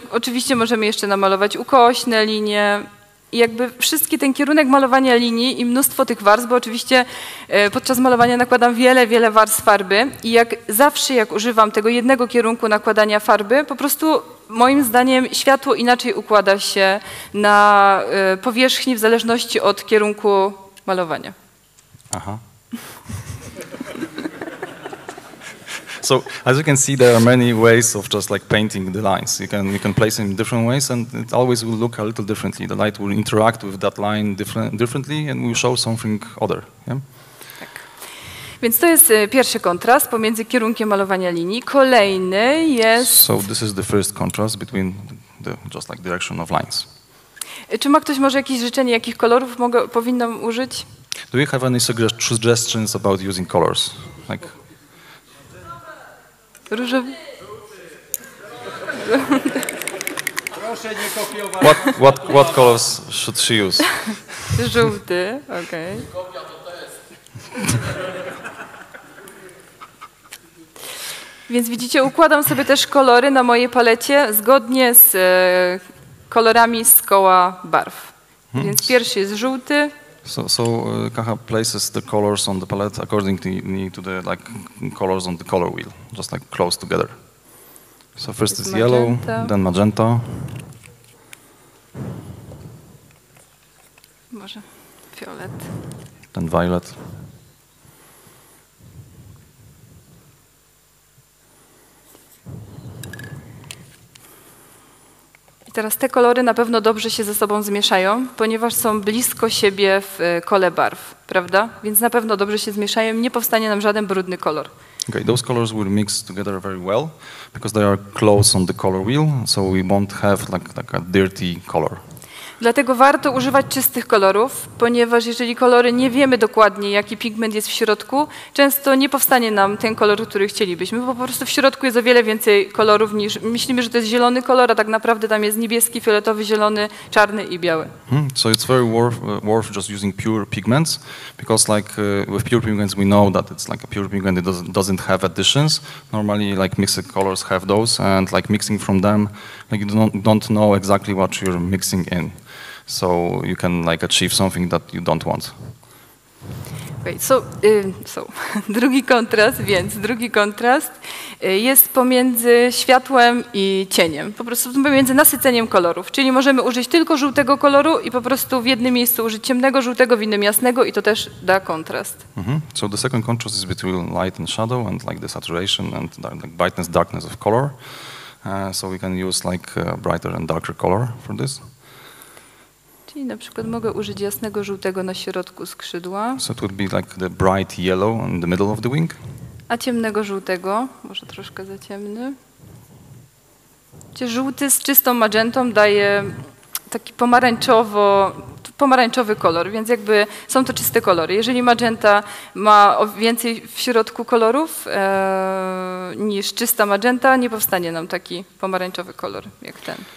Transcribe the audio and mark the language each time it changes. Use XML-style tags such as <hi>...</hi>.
<pl>Oczywiście możemy jeszcze namalować ukośne linie. I jakby wszystkie ten kierunek malowania linii i mnóstwo tych warstw, bo oczywiście podczas malowania nakładam wiele, wiele warstw farby i jak zawsze jak używam tego jednego kierunku nakładania farby, po prostu moim zdaniem światło inaczej układa się na powierzchni w zależności od kierunku malowania. Aha.</pl> <en>So as you can see, there are many ways of just like painting the lines. You can place them in different ways, and it always will look a little differently. The light will interact with that line differently, and will show something other. Yeah?</en> <pl>Tak. Więc to jest pierwszy kontrast pomiędzy kierunkiem malowania linii. Kolejny jest.</pl> <en>So this is the first contrast between the just like direction of lines.</en> <pl>Czy ma ktoś może jakieś życzenie, jakich kolorów powinnam użyć?</pl> <en>Do you have any suggestions about using colors, like?</en> <pl>Różowy. Proszę nie kopiować.</pl> <en>What colors should she use?</en> <pl>Żółty, okej. Kopia to test. Więc widzicie, układam sobie też kolory na mojej palecie zgodnie z kolorami z koła barw. Więc pierwszy jest żółty.</pl> <en>So Kaha places the colors on the palette according to the like colors on the color wheel, just like close together. So first is yellow, then magenta.</en> <pl>Może fiolet.</pl> <en>Then violet.</en> <pl>I teraz te kolory na pewno dobrze się ze sobą zmieszają, ponieważ są blisko siebie w kole barw, prawda? Więc na pewno dobrze się zmieszają, nie powstanie nam żaden brudny kolor.</pl> <en>Okay, those colors will mix together very well because they are close on the color wheel, so we won't have like a dirty color.</en> <pl>Dlatego warto używać czystych kolorów, ponieważ jeżeli kolory nie wiemy dokładnie, jaki pigment jest w środku, często nie powstanie nam ten kolor, który chcielibyśmy, bo po prostu w środku jest o wiele więcej kolorów niż myślimy, że to jest zielony kolor, a tak naprawdę tam jest niebieski, fioletowy, zielony, czarny i biały.</pl> <en>So it's very worth just using pure pigments, because like with pure pigments we know that it's like a pure pigment, it doesn't have additions. Normally like mixed colors have those and like mixing from them, like you don't know exactly what you're mixing in. So you can like achieve something that you don't want. Okay, so</en> <pl>drugi kontrast jest pomiędzy światłem i cieniem. Po prostu pomiędzy nasyceniem kolorów. Czyli możemy użyć tylko żółtego koloru i po prostu w jednym miejscu użyć ciemnego żółtego, w innym jasnego i to też da kontrast. Mm-hmm.</pl> <en>So the second contrast is between light and shadow and like the saturation and like brightness, darkness of color. So we can use like a brighter and darker color for this.</en> <pl>I na przykład mogę użyć jasnego żółtego na środku skrzydła.</pl> <en>So it would be like the bright yellow in the middle of the wing.</en> <pl>A ciemnego żółtego, może troszkę za ciemny. Czy żółty z czystą magentą daje taki pomarańczowy kolor, więc jakby są to czyste kolory. Jeżeli magenta ma więcej w środku kolorów niż czysta magenta, nie powstanie nam taki pomarańczowy kolor jak ten.</pl>